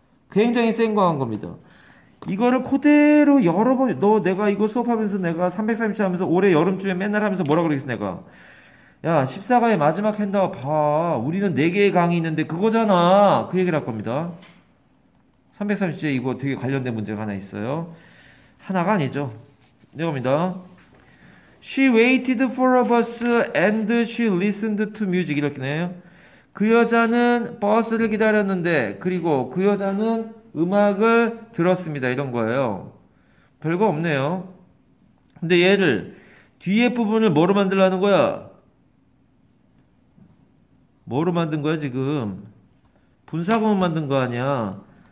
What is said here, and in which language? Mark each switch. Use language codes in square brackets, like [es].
[ko] 굉장히 센 거 한 겁니다. 이거를 그대로 여러 번, 너 내가 이거 수업하면서 내가 330차 하면서 올해 여름쯤에 맨날 하면서 뭐라 그러겠어 내가. 야, 14강의 마지막 핸드와 봐. 우리는 4개의 강이 있는데 그거잖아. 그 얘기를 할 겁니다. 330차에 이거 되게 관련된 문제가 하나 있어요. 하나가 아니죠. 이겁니다. [en] She waited for a bus and she listened to music. [ko] 이렇게 네요. 그 여자는 버스를 기다렸는데 그리고 그 여자는 음악을 들었습니다. 이런 거예요. 별거 없네요. 근데 얘를 뒤에 부분을 뭐로 만들라는 거야? 뭐로 만든 거야 지금? 분사구문 만든 거 아니야.